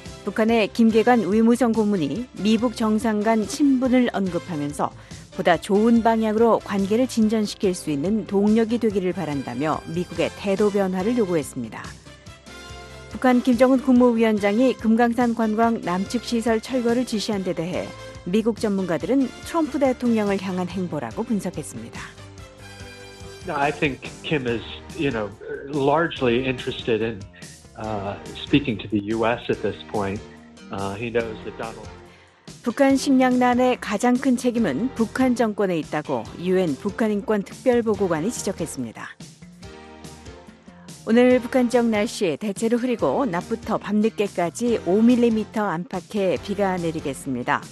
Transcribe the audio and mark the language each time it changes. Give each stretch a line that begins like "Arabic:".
Korean: 북한의 김계관 외무성 고문이 미북 정상 간 친분을 언급하면서 보다 좋은 방향으로 관계를 진전시킬 수 있는 동력이 되기를 바란다며 미국의 태도 변화를 요구했습니다. 북한 김정은 국무위원장이 금강산 관광 남측 시설 철거를 지시한 데 대해 미국 전문가들은 트럼프 대통령을 향한 행보라고 분석했습니다.
English: I think Kim is, you know, largely interested in speaking to the U.S. at this point. He knows that Donald.
Korean: 북한 식량난의 가장 큰 책임은 북한 정권에 있다고 유엔 북한인권특별보고관이 지적했습니다. 오늘 북한 지역 날씨 대체로 흐리고 낮부터 밤늦게까지 5mm 안팎의 비가 내리겠습니다.